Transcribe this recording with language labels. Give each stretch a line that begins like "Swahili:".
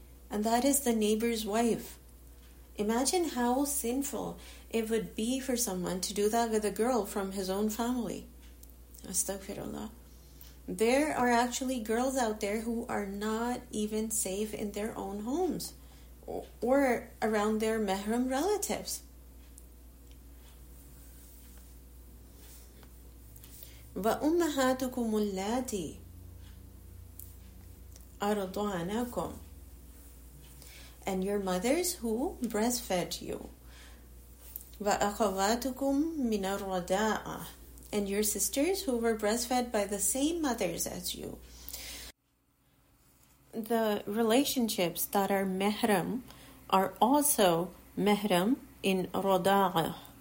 English: And that is the neighbor's wife. Imagine how sinful it would be for someone to do that with a girl from his own family. Astaghfirullah. There are actually girls out there who are not even safe in their own homes or around their mahram relatives.
Arabic: وأمهاتكم اللاتي أرضعنكم.
English: And your mothers who breastfed you.
Arabic: وأخواتكم من الرضاعة.
English: And your sisters who were breastfed by the same mothers as you. The relationships that are mahram are also mahram in rada'a.